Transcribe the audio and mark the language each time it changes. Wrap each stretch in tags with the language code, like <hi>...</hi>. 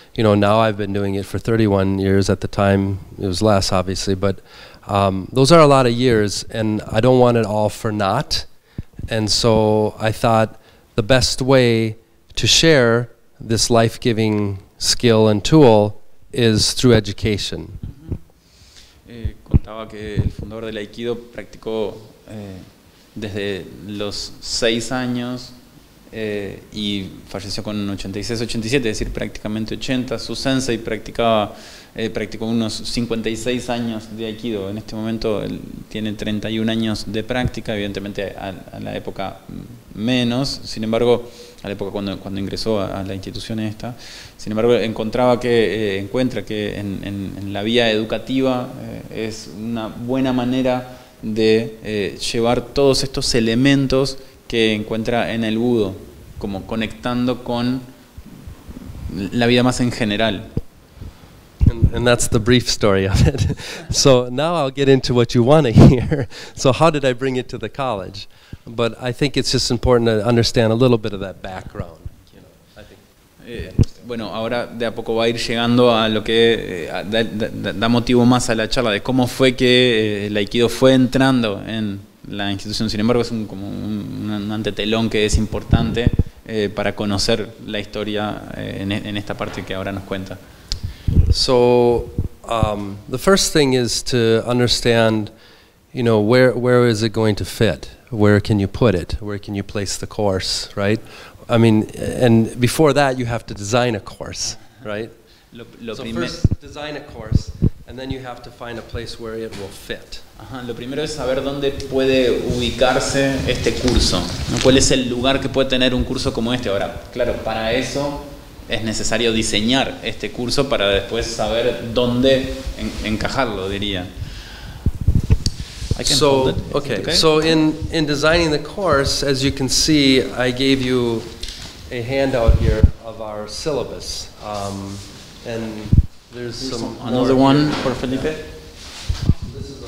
<en>You know, now I've been doing it for 31 years. At the time, it was less, obviously. But those are a lot of years, and I don't want it all for naught. And so I thought the best way to share this life-giving skill and tool is through education.</en> <es>Contaba que el fundador del Aikido practicó desde los 6 años. Y falleció con 86, 87, es decir, prácticamente 80. Su sensei practicó unos 56 años de Aikido. En este momento tiene 31 años de práctica, evidentemente a la época menos. Sin embargo, a la época cuando ingresó a la institución esta. Sin embargo, encuentra que en la vía educativa es una buena manera de llevar todos estos elementos que encuentra en el budo, como conectando con la vida más en general.</es> <en>And that's the brief story of it. So now I'll get into what you want to hear. So how did I bring it to the college? But I think it's just important to understand a little bit of that background. Bueno, ahora de a poco va a ir llegando a lo que da motivo más a la charla, de cómo fue que el Aikido fue entrando en la institución. Sin embargo, es como un antetelón que es importante para conocer la historia en esta parte que ahora nos cuenta. So, the first thing is to understand, you know, where is it going to fit? Where can you put it? Where can you place the course, right? I mean, and before that, you have to design a course, right? So first, design a course, and then you have to find a place where it will fit.</en> <es>Lo primero es saber dónde puede ubicarse este curso. ¿Cuál es el lugar que puede tener un curso como este? Ahora, claro, para eso es necesario diseñar este curso para después saber dónde encajarlo, diría.</es> <en>So in designing the course, as you can see, I gave you a handout here of our syllabus. And there's some another one for Felipe. Yeah.</en>